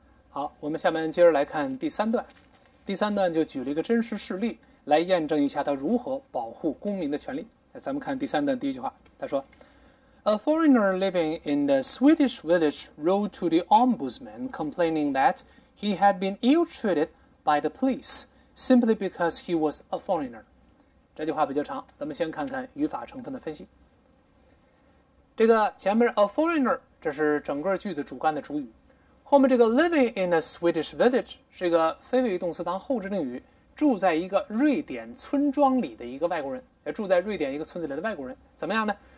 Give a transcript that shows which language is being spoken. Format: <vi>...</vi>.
<zh>好，我们下面接着来看第三段。第三段就举了一个真实事例来验证一下他如何保护公民的权利。咱们看第三段第一句话，他说</zh> <en>A foreigner living in the Swedish village wrote to the ombudsman complaining that he had been ill-treated by the police simply because he was a foreigner.</en> <zh>这句话比较长，咱们先看看语法成分的分析。这个前面</zh> <en>a foreigner</en> <zh>这是整个句子主干的主语，后面这个</zh> <en>living in a Swedish village</en> <zh>是一个非谓语动词当后置定语，住在一个瑞典村庄里的一个外国人，住在瑞典一个村子里的外国人怎么样呢？</zh>